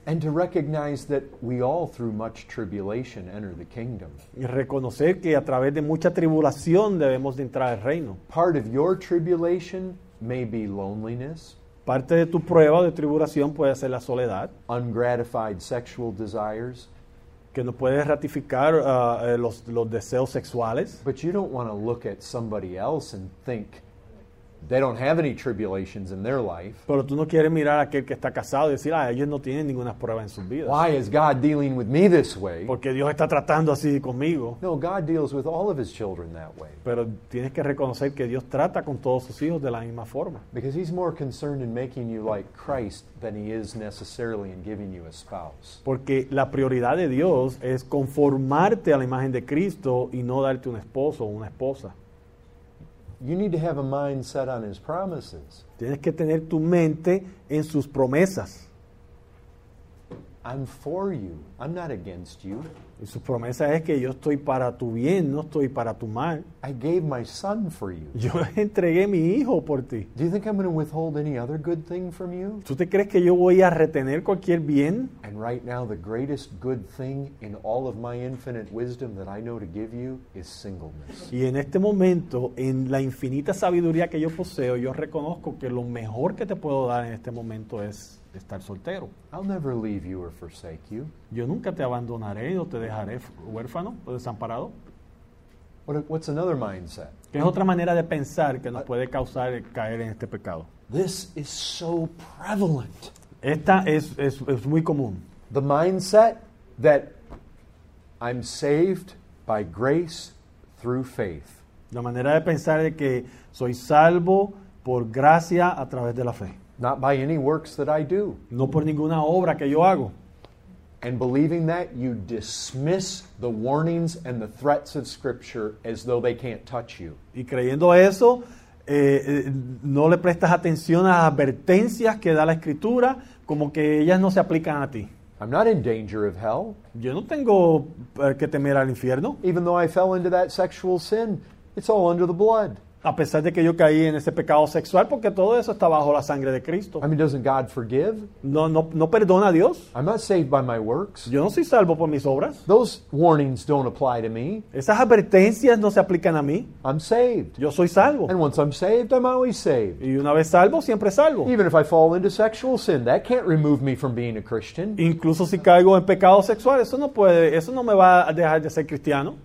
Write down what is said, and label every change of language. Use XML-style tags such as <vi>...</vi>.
<en>And to recognize that we all through much tribulation enter the kingdom.</en> <es>Y reconocer que a través de mucha tribulación debemos de entrar al reino.</es> <en>Part of your tribulation may be loneliness.</en> <es>Parte de tu prueba de tribulación puede ser la soledad.</es> <en>Ungratified sexual desires.</en> <es>Que no puedes ratificar los deseos sexuales.</es> <en>But you don't want to look at somebody else and think they don't have any tribulations in their life.</en> <es>Pero tú no quieres mirar a aquel que está casado y decir, ellos no tienen ninguna prueba en sus vidas.</es> <en>Why is God dealing with me this way?</en> <es>Porque Dios está tratando así conmigo.</es> <en>No, God deals with all of his children that way.</en> <es>Pero tienes que reconocer que Dios trata con todos sus hijos de la misma forma.</es> <en>Because he's more concerned in making you like Christ than he is necessarily in giving you a spouse.</en> <es>Porque la prioridad de Dios es conformarte a la imagen de Cristo y no darte un esposo o una esposa.</es> <en>You need to have a mind set on his promises.</en> <es>Tienes que tener tu mente en sus promesas.</es> <en>I'm for you. I'm not against you.</en> <es>Y su promesa es que yo estoy para tu bien, no estoy para tu mal.</es> <en>I gave my son for you.</en> <es>Yo entregué mi hijo por ti.</es> <en>Do you think I'm going to withhold any other good thing from you?</en> <es>¿Tú te crees que yo voy a retener cualquier bien?</es> <en>And right now the greatest good thing in all of my infinite wisdom that I know to give you is singleness.</en> <es>Y en este momento, en la infinita sabiduría que yo poseo, yo reconozco que lo mejor que te puedo dar en este momento es estar soltero.</es> <en>I'll never leave you or forsake you.</en> <es>Yo nunca te abandonaré o te dejaré huérfano o desamparado.</es> <en>What's another mindset?</en> <es>¿Qué es otra manera de pensar que nos puede causar caer en este pecado?</es> <en>This is so prevalent.</en> <es>Esta es muy común.</es> <en>The mindset that I'm saved by grace through faith.</en> <es>La manera de pensar de que soy salvo por gracia a través de la fe.</es> <en>Not by any works that I do.</en> <es>No por ninguna obra que yo hago.</es> <en>And believing that, you dismiss the warnings and the threats of Scripture as though they can't touch you.</en> <es>Y creyendo eso, no le prestas atención a las advertencias que da la Escritura, como que ellas no se aplican a ti.</es> <en>I'm not in danger of hell.</en> <es>Yo no tengo que temer al infierno.</es> <en>Even though I fell into that sexual sin, it's all under the blood.</en> <es>A pesar de que yo caí en ese pecado sexual, porque todo eso está bajo la sangre de Cristo.</es> <en>I mean, doesn't God forgive?</en> <es>No perdona a Dios.</es> <en>I'm not saved by my works.</en> <es>Yo no soy salvo por mis obras.</es> <en>Those warnings don't apply to me.</en> <es>Esas advertencias no se aplican a mí.</es> <en>I'm saved.</en> <es>Yo soy salvo.</es> <en>And once I'm saved, I'm always saved.</en> <es>Y una vez salvo, siempre salvo.</es> <en>Even if I fall into sexual sin, that can't remove me from being a Christian.</en> <es>Incluso si caigo en pecado sexual, eso no me va a dejar de ser cristiano.</es>